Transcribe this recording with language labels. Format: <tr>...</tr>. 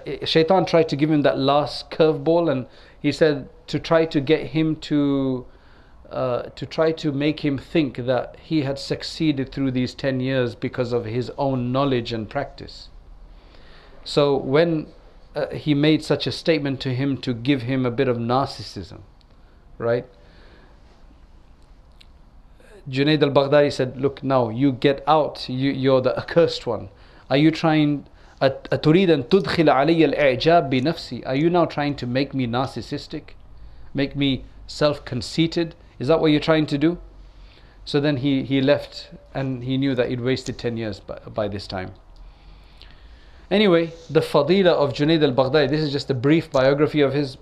<en>Shaitan tried to give him that last curveball, and he said to try to get him to try to make him think that he had succeeded through these 10 years because of his own knowledge and practice. So when he made such a statement to him to give him a bit of narcissism, right? Junaid al-Baghdadi said, look, now you get out, you're the accursed one. Are you trying,</en> <ar>أتريد أن تدخل علي الإعجاب بنفسي?</ar> <en>Are you now trying to make me narcissistic? Make me self-conceited? Is that what you're trying to do? So then he left and he knew that he'd wasted 10 years by this time. Anyway, the Fadila of Junaid al-Baghdadi, this is just a brief biography of his.</en>